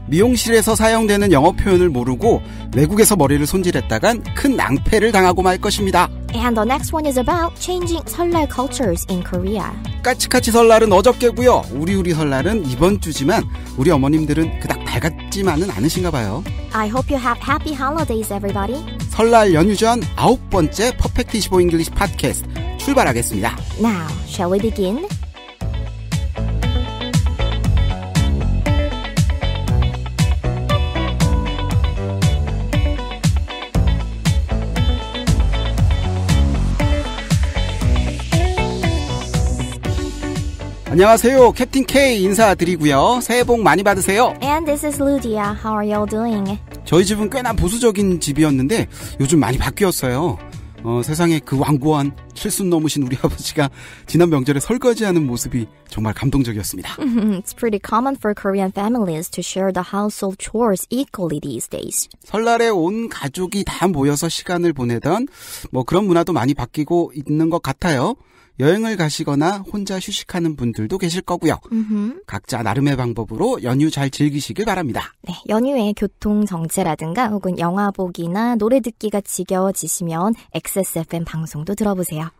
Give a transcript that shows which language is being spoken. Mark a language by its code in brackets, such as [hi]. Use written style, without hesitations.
[ko] 미용실에서 사용되는 영어 표현을 모르고 외국에서 머리를 손질했다간 큰 낭패를 당하고 말 것입니다. [en] And the next one is about changing 설날 cultures in Korea. [ko] 까치까치 설날은 어저께고요. 우리 설날은 이번 주지만 우리 어머님들은 그닥 밝았지만은 않으신가 봐요. [en] I hope you have happy holidays, everybody. [ko] 설날 연휴 전 아홉 번째 퍼펙트 25 English 팟캐스트 출발하겠습니다. [en] Now, shall we begin? [ko] Captain K 인사드리고요. 새해 복 많이 받으세요. [en] And this is Ludia. How are you all doing? [ko] 저희 집은 꽤나 보수적인 집이었는데 요즘 많이 바뀌었어요. 세상에 그 완고한 칠순 넘으신 우리 아버지가 지난 명절에 설거지하는 모습이 정말 감동적이었습니다. [en] It's pretty common for Korean families to share the household chores equally these days. [ko] 설날에 온 가족이 다 모여서 시간을 보내던 뭐 그런 문화도 많이 바뀌고 있는 것 같아요. 여행을 가시거나 혼자 휴식하는 분들도 계실 거고요. Mm-hmm. 각자 나름의 방법으로 연휴 잘 즐기시길 바랍니다. 네, 연휴에 교통 정체라든가 혹은 영화 보기나 노래 듣기가 지겨워지시면 XSFM 방송도 들어보세요.